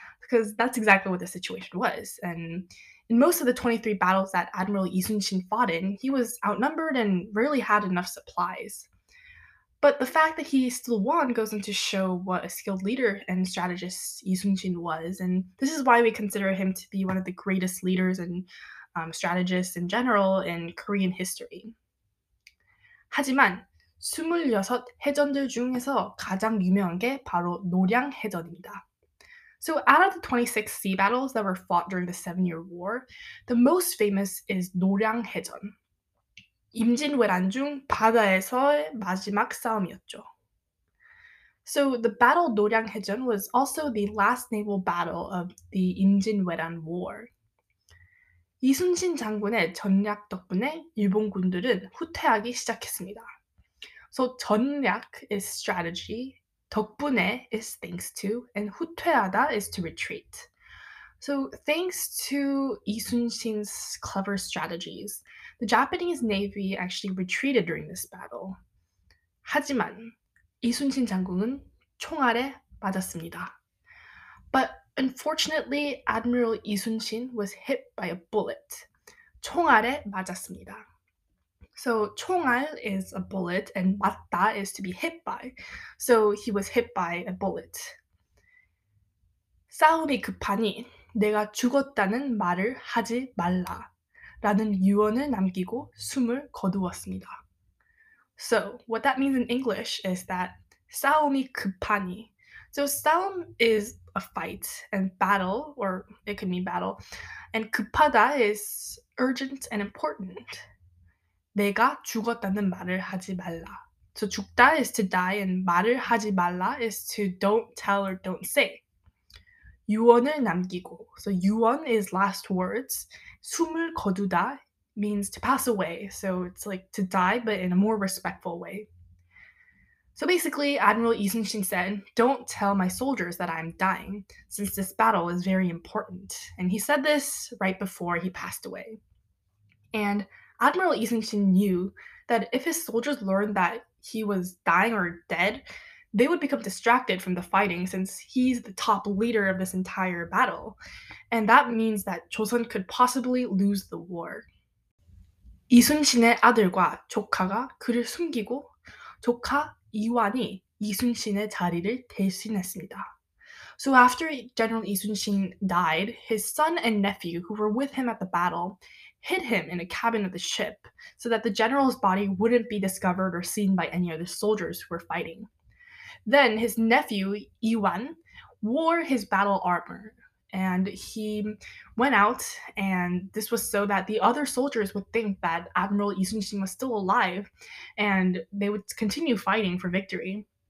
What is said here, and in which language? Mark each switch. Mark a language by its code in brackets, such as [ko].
[en] Because that's exactly what the situation was. And in most of the 23 battles that Admiral Easington fought in, he was outnumbered and rarely had enough supplies. But the fact that he still won goes into show what a skilled leader and strategist Easington was, and this is why we consider him to be one of the greatest leaders and strategists in general in Korean history. [ko] 하지만 26 해전들 중에서 가장 유명한 게 바로 노량 해전입니다. [en] So out of the 26 sea battles that were fought during the Seven-Year War, the most famous is 노량해전. [ko] 임진왜란 중 바다에서의 마지막 싸움이었죠. [en] So the Battle 노량해전 was also the last naval battle of the 임진왜란 War. [ko] 이순신 장군의 전략 덕분에 일본군들은 후퇴하기 시작했습니다. [en] So 전략 is strategy, 덕분에 is thanks to, and 후퇴하다 is to retreat. So thanks to 이순신's clever strategies, the Japanese Navy actually retreated during this battle. [ko] 하지만 이순신 장군은 총알에 맞았습니다. [en] But unfortunately, Admiral 이순신 was hit by a bullet. [ko] 총알에 맞았습니다. [en] So 총알 is a bullet and 맞다 is to be hit by. So he was hit by a bullet. [ko] 싸움이 급하니 내가 죽었다는 말을 하지 말라 라는 유언을 남기고 숨을 거두었습니다. [en] So what that means in English is that [ko] 싸움이 급하니. [en] So 싸움 is a fight and battle, or it could mean battle. And 급하다 is urgent and important. [ko] 내가 죽었다는 말을 하지 말라. [en] So 죽다 is to die and [ko] 말을 하지 말라 [en] is to don't tell or don't say. [ko] 유언을 남기고. [en] So 유언 is last words. 숨을 거두다 means to pass away. So it's like to die but in a more respectful way. So basically Admiral 이순신 said, don't tell my soldiers that I'm dying since this battle is very important. And he said this right before he passed away. And Admiral 이순신 knew that if his soldiers learned that he was dying or dead, they would become distracted from the fighting since he's the top leader of this entire battle. And that means that Joseon could possibly lose the war. 이순신의 아들과 조카가 그를 숨기고 조카 이완이 이순신의 자리를 대신했습니다. So after General 이순신 died, his son and nephew who were with him at the battle hid him in a cabin of the ship so that the general's body wouldn't be discovered or seen by any other soldiers who were fighting. Then his nephew, Iwan, wore his battle armor and he went out, and this was so that the other soldiers would think that Admiral 이순신 was still alive and they would continue fighting for victory.